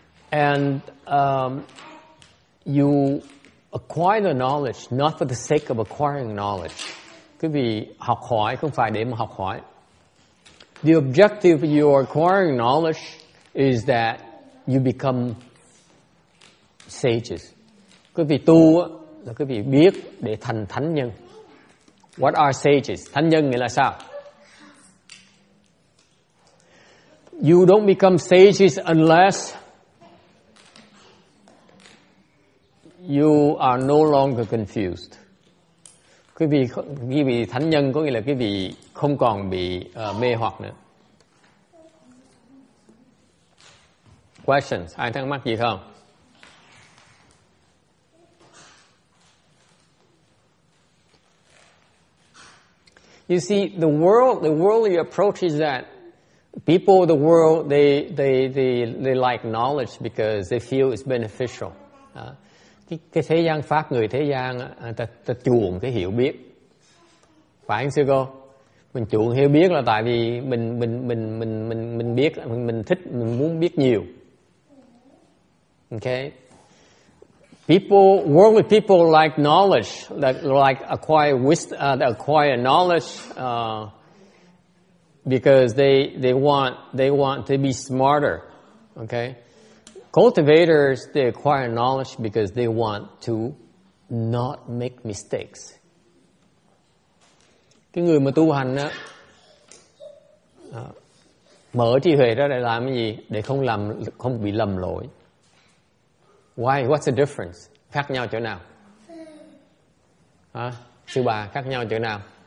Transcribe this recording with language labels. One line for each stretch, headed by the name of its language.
English: And you acquire the knowledge not for the sake of acquiring knowledge.
Vietnamese: Quý vị học hỏi không phải để mà học hỏi.
English: The objective of your acquiring knowledge is that you become sages.
Vietnamese: Quý vị tu là quý vị biết để thành thánh nhân.
English: What are sages?
Vietnamese: Thánh nhân nghĩa là sao?
English: You don't become sages unless you are no longer confused.
Vietnamese: Quý vị thánh nhân có nghĩa là quý vị không còn bị mê hoặc nữa.
English: Questions?
Vietnamese: Ai thắc mắc gì không?
English: You see, the worldly approach is that people of the world they like knowledge because they feel it's beneficial.
Vietnamese: Cái thế gian pháp, người thế gian ta chuộng cái hiểu biết. Phải không sư cô? Mình chuộng hiểu biết là tại vì mình biết, mình thích, mình muốn biết nhiều.
English: Okay. Worldly people like knowledge, like acquire wisdom, acquire knowledge because they want to be smarter. Okay. Cultivators, they acquire knowledge because they want to not make mistakes.
Vietnamese: Cái người mà tu hành á, mở trí huệ ra để làm cái gì? Để không bị lầm lỗi.
English: Why? What's the difference?
Vietnamese: Khác nhau chỗ nào? Hả? Sư bà, khác nhau chỗ nào?